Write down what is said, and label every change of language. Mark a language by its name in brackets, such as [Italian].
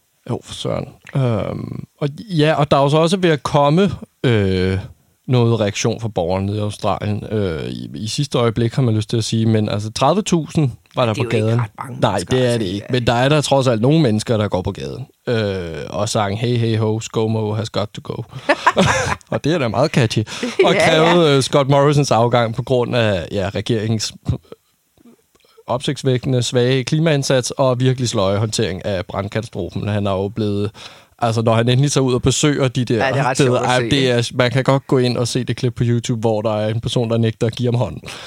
[Danish] Jo, for søren. Og ja, og der er jo så også ved at komme noget reaktion fra borgerne i Australien. I sidste øjeblik har man lyst til at sige, men altså 30.000 var der på gaden. Nej, det er det ikke. Men der er der trods alt nogle mennesker, der går på gaden. Og sang, [English] hey, hey, ho, ScoMo has got to go. [Danish] Og det er da meget catchy. Og krævede Scott Morrisons afgang på grund af regeringens opsigtsvækkende svage klimaindsats og virkelig sløje håndtering af brandkatastrofen. Han er jo blevet, altså når han endelig tager ud og besøger de der, man kan godt gå ind og se det klip på YouTube, hvor der er en person, der nægter at give ham hånden.